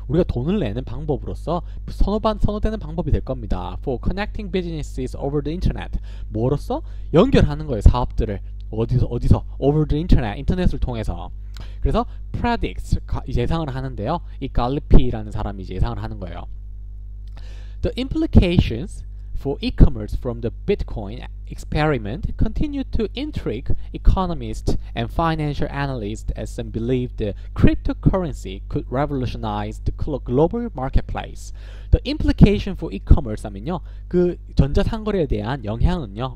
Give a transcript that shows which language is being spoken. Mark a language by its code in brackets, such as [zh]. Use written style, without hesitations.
[ko] 우리가 돈을 내는 방법으로서 선호되는 방법이 될 겁니다. [en] For connecting businesses over the internet. [ko] 뭐로써? 연결하는 거예요. 사업들을. 어디서? [en] Over the internet. [ko] 인터넷을 통해서. 그래서 predicts. 예상을 하는데요. 이 갈리피라는 사람이 이제 예상을 하는 거예요. [en] The implications for e-commerce from the Bitcoin experiment continue to intrigue economists and financial analysts as some believe the cryptocurrency could revolutionize the global marketplace. The implication for e-commerce 하면요. [ko] 그 전자상거래에 대한 영향은요.